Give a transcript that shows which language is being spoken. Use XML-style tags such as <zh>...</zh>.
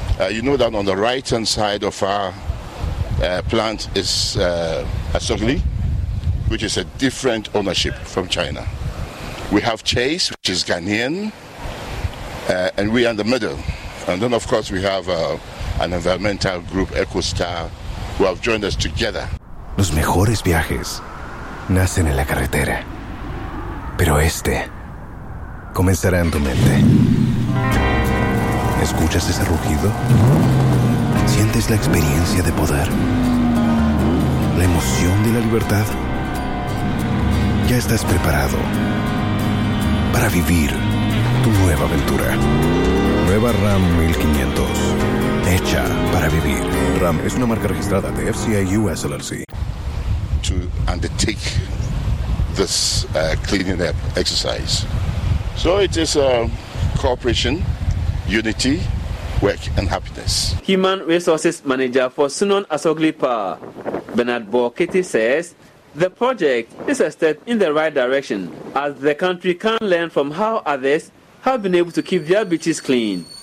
<en>You know that on the right-hand side of our plant is Asogli, which is a different ownership from China. We have Chase, which is Ghanaian, and we are in the middle. And then, of course, we have an environmental group, EcoStar, who have joined us together.</en> <es>Los mejores viajes nacen en la carretera, pero este comenzará en tu mente. ¿Escuchas ese rugido? ¿Sientes la experiencia de poder? ¿La emoción de la libertad? Ya estás preparado para vivir tu nueva aventura. Nueva Ram 1500. Hecha para vivir. Ram es una marca registrada de FCA US LLC.</es> <en>To undertake this cleaning up exercise. So it is cooperation, unity, work and happiness. Human Resources Manager for Sunon Asogli Power, Bernard Borkiti, says the project is a step in the right direction, as the country can learn from how others have been able to keep their beaches clean.</en>